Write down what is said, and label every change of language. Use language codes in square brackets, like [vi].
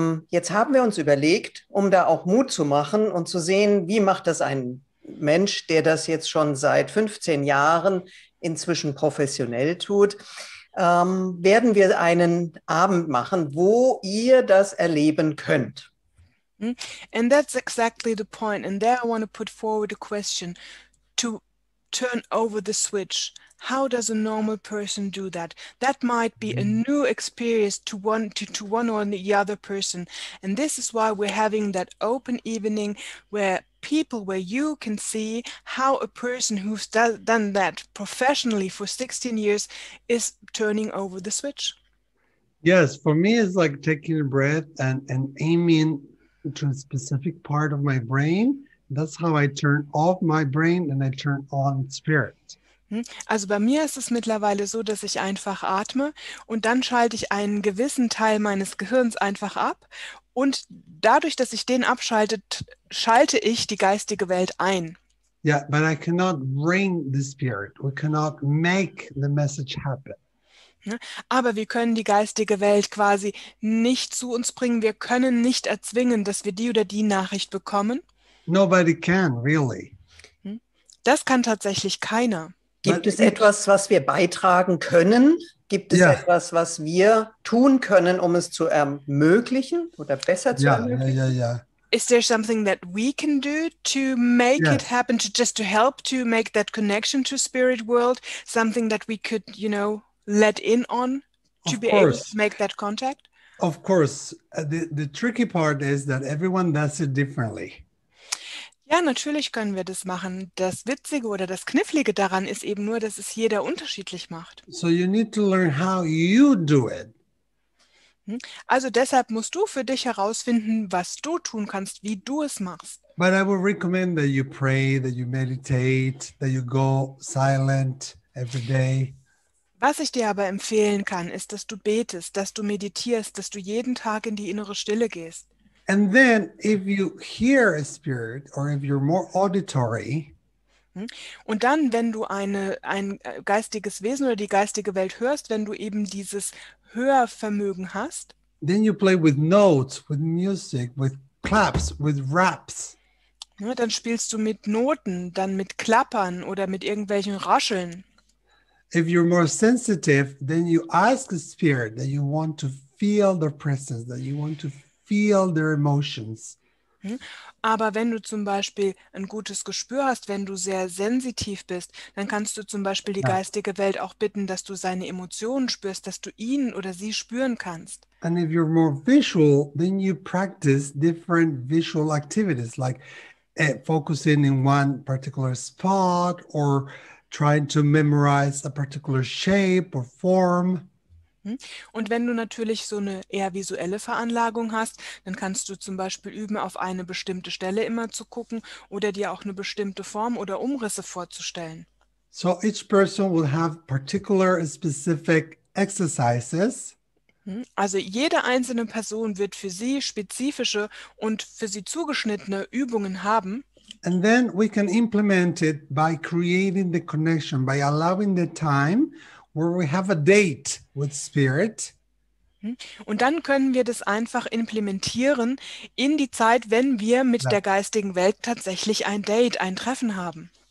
[de] Jetzt haben wir uns überlegt, um da auch Mut zu machen und zu sehen, wie macht das ein Mensch, der das jetzt schon seit 15 Jahren inzwischen professionell tut, werden wir einen Abend machen, wo ihr das erleben könnt. [en] And that's exactly the point. And there I want to put forward a question to turn over the switch. How does a normal person do that? That might be a new experience to one or the other person. And this is why we're having that open evening where people, where you can see how a person who's done that professionally for 16 years is turning over the switch. Yes, for me, it's like taking a breath and aiming to a specific part of my brain. That's how I turn off my brain and I turn on spirit. [de] Also bei mir ist es mittlerweile so, dass ich einfach atme und dann schalte ich einen gewissen Teil meines Gehirns einfach ab. Und dadurch, dass ich den abschalte, schalte ich die geistige Welt ein. [en] Yeah, but I cannot bring the spirit. We cannot make the message happen. [de] Aber wir können die geistige Welt quasi nicht zu uns bringen. Wir können nicht erzwingen, dass wir die oder die Nachricht bekommen. [en] Nobody can, really. [de] Das kann tatsächlich keiner. Gibt es etwas, was wir beitragen können? Gibt es etwas, was wir tun können, um es zu ermöglichen oder besser zu ermöglichen? [en] Is there something that we can do to make it happen, to just to help to make that connection to spirit world, something that we could, you know, let in on to be able to make that contact? Of course. The tricky part is that everyone does it differently. [de] Ja, natürlich können wir das machen. Das Witzige oder das Knifflige daran ist eben nur, dass es jeder unterschiedlich macht. [en] So you need to learn how you do it. [de] Also deshalb musst du für dich herausfinden, was du tun kannst, wie du es machst. [en] But I would recommend that you pray, that you meditate, that you go silent every day. [de] Was ich dir aber empfehlen kann, ist, dass du betest, dass du meditierst, dass du jeden Tag in die innere Stille gehst. [en] And then if you hear a spirit or if you're more auditory, [de] und dann wenn du ein geistiges Wesen oder die geistige Welt hörst, wenn du eben dieses Hörvermögen hast, [en] then you play with notes, with music, with claps, with raps. [de] Ja, dann spielst du mit Noten, dann mit Klappern oder mit irgendwelchen Rascheln. [en] If you're more sensitive, then you ask a spirit that you want to feel their presence, that you want to feel their emotions. [de] Aber wenn du zum Beispiel ein gutes Gespür hast, wenn du sehr sensitiv bist, dann kannst du zum Beispiel die geistige Welt auch bitten, dass du seine Emotionen spürst, dass du ihn oder sie spüren kannst. [en] And if you're more visual, then you practice different visual activities, like focusing in one particular spot or trying to memorize a particular shape or form. [de] Und wenn du natürlich so eine eher visuelle Veranlagung hast, dann kannst du zum Beispiel üben, auf eine bestimmte Stelle immer zu gucken oder dir auch eine bestimmte Form oder Umrisse vorzustellen. [en] So each person will have particular specific exercises. [de] Also jede einzelne Person wird für sie spezifische und für sie zugeschnittene Übungen haben. [en] And then we can implement it by creating the connection, by allowing the time where we have a date with Spirit. [de] Und dann können wir das einfach implementieren in die Zeit, wenn wir mit der geistigen Welt tatsächlich ein Date, ein Treffen haben.